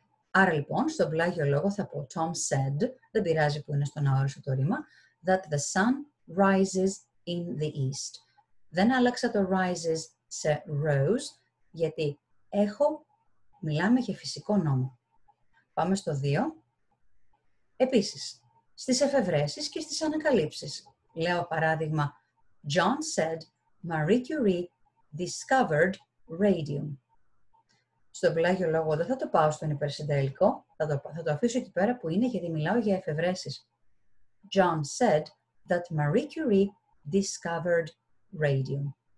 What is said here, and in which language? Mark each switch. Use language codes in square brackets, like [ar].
[el] Άρα λοιπόν, στον πλάγιο λόγο θα πω [en] Tom said, [el] δεν πειράζει που είναι στον αόριστο το ρήμα, [en] that the sun rises in the east. [el] Δεν άλλαξα το rises σε rose, γιατί έχω, μιλάμε για φυσικό νόμο. Πάμε στο 2. Επίσης, στις εφευρέσεις και στις ανακαλύψεις. Λέω παράδειγμα, [en] John said Marie Curie discovered radium. [el] Στον πλάγιο λόγο δεν θα το πάω στον υπερσυντέλικο, θα το αφήσω εκεί πέρα που είναι γιατί μιλάω για εφευρέσεις. [en] John said that Marie Curie discovered radium.